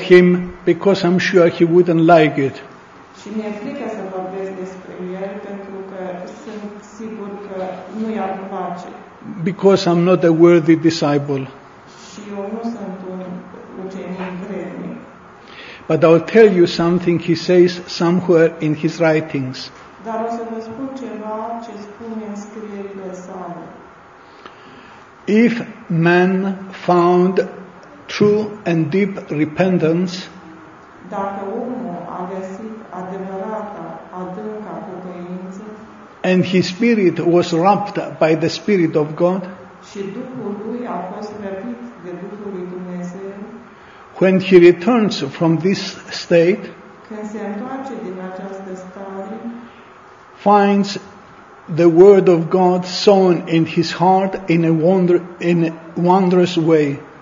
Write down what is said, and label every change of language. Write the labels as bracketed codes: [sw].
[en] him because I'm sure he wouldn't like it. [ro] Și mi-e frică să vorbesc despre el pentru că sunt sigur că nu i-ar place. [en] Because I'm not a worthy disciple. [ro] Și eu nu sunt un ucenic vrednic. [en] But I'll tell you something he says somewhere in his writings. [ro] Dar o să vă spun ceva ce spune în scrierile sale. [en] If man found true and deep repentance, [ro] dacă omul a găsit adevărata, adânca pocăință, [en] and his spirit was wrapped by the Spirit of God, [ro] și Duhul lui a fost răpit de Duhul lui Dumnezeu, [en] when he returns from this state, [ro] când se întoarce din această stare, [en] finds the word of God sown in his heart in a wonder, in a wondrous way.